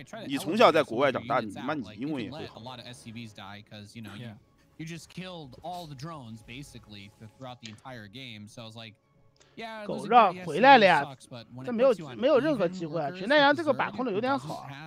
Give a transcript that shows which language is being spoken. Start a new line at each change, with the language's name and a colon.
Chinese: 你从小在国外长大，你英文也会好。
English: You just killed all the drones basically throughout the entire game, so I was like.
Chinese: 狗绕回来了呀，这没有任何机会啊！全太阳这个把控的有点好。